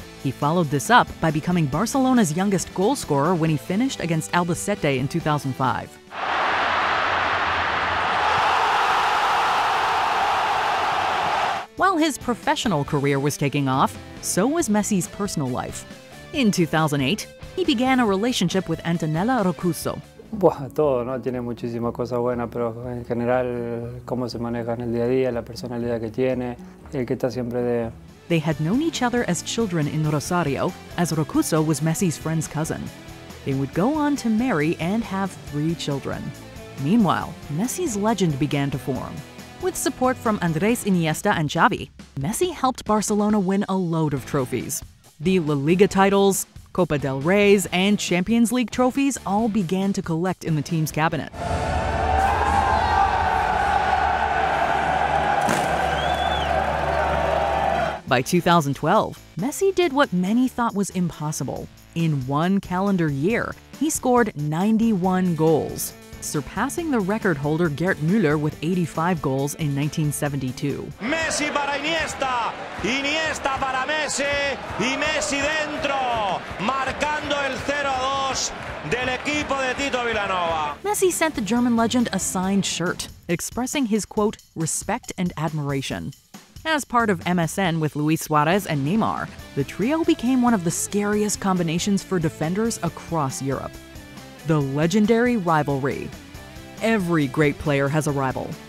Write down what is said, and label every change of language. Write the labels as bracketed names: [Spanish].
[English] He followed this up by becoming Barcelona's youngest goal scorer when he finished against Albacete in 2005. While his professional career was taking off, so was Messi's personal life. In 2008, he began a relationship with Antonella Roccuzzo. [Spanish] Bueno, todo, ¿no? Tiene muchísimas cosas buenas, pero en general, cómo se maneja en el día a día, la personalidad que tiene, el que está siempre de... [English] They had known each other as children in Rosario, as Roccuzzo was Messi's friend's cousin. They would go on to marry and have 3 children. Meanwhile, Messi's legend began to form. With support from Andrés Iniesta and Xavi, Messi helped Barcelona win a load of trophies. The La Liga titles, Copa del Reyes, and Champions League trophies all began to collect in the team's cabinet. By 2012, Messi did what many thought was impossible. In one calendar year, he scored 91 goals, surpassing the record holder Gerd Müller with 85 goals in 1972. [Spanish] Messi para Iniesta, Iniesta para Messi, y Messi dentro, marcando el 0-2 del equipo de Tito Villanova. [English] Messi sent the German legend a signed shirt, expressing his, quote, respect and admiration. As part of MSN with Luis Suarez and Neymar, the trio became one of the scariest combinations for defenders across Europe. The legendary rivalry. Every great player has a rival.